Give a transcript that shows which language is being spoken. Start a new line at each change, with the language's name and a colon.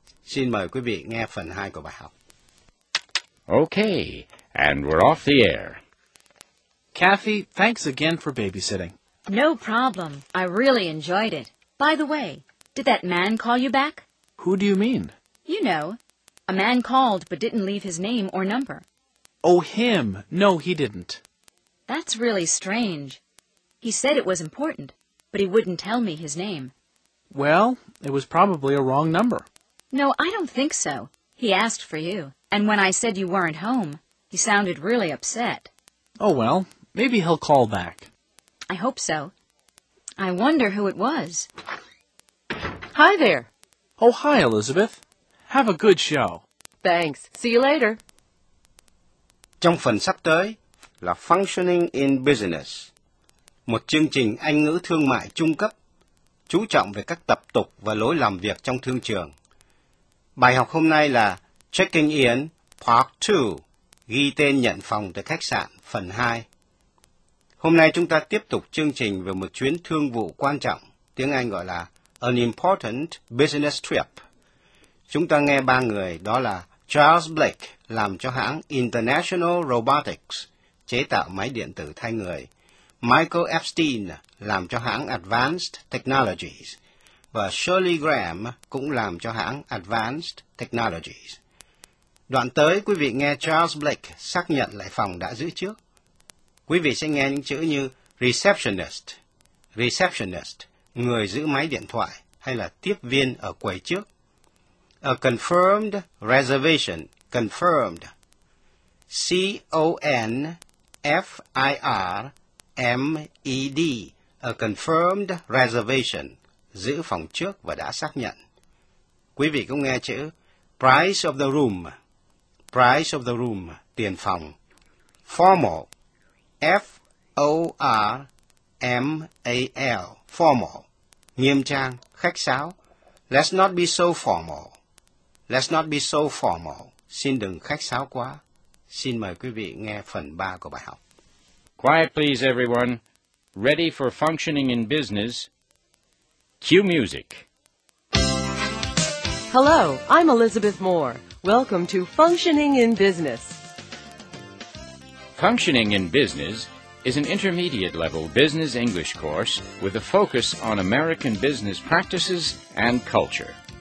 Vietnamese: Xin mời quý vị nghe phần 2 của bài học.
English: Okay, and we're off the air. Kathy, thanks again for babysitting. No problem. I really enjoyed it. By the way, did that man call you back? Who do you mean? You know, a man called but didn't leave his name or number. Oh, him. No, he didn't. That's really strange. He said it was important, but he wouldn't tell me his name. Well, it was probably a wrong number. No, I don't think so. He asked for you, and when I said you weren't home, he sounded really upset. Oh, well, maybe he'll call back. I hope so. I wonder who it was. Hi there. Oh, hi, Elizabeth. Have a good show. Thanks. See you later.
Vietnamese: trong phần sắp tới là Functioning in Business, một chương trình Anh ngữ thương mại trung cấp, chú trọng về các tập tục và lối làm việc trong thương trường. Bài học hôm nay là Checking In Part 2, ghi tên nhận phòng tại khách sạn phần 2. Hôm nay chúng ta tiếp tục chương trình về một chuyến thương vụ quan trọng, tiếng Anh gọi là An Important Business Trip. Chúng ta nghe ba người, đó là Charles Blake, làm cho hãng International Robotics, chế tạo máy điện tử thay người, Michael Epstein, làm cho hãng Advanced Technologies, và Shirley Graham, cũng làm cho hãng Advanced Technologies. Đoạn tới, quý vị nghe Charles Blake xác nhận lại phòng đã giữ trước. Quý vị sẽ nghe những chữ như receptionist, receptionist, người giữ máy điện thoại, hay là tiếp viên ở quầy trước.
English: A confirmed reservation, confirmed.
Vietnamese: C-O-N-F-I-R-M-E-D, a confirmed reservation, giữ phòng trước và đã xác nhận. Quý vị cũng nghe chữ price of the room, tiền phòng. Formal, F-O-R-M-A-L, formal, nghiêm trang, khách sáo.
English: Let's not be so formal, let's not be so formal,
Vietnamese: xin đừng khách sáo quá. Xin mời quý vị nghe phần 3 của bài học.
English: Quiet please everyone, ready for functioning in business, cue music. Hello, I'm Elizabeth Moore. Welcome to Functioning in Business. Functioning in Business is an intermediate level business English course with a focus on American business practices and culture.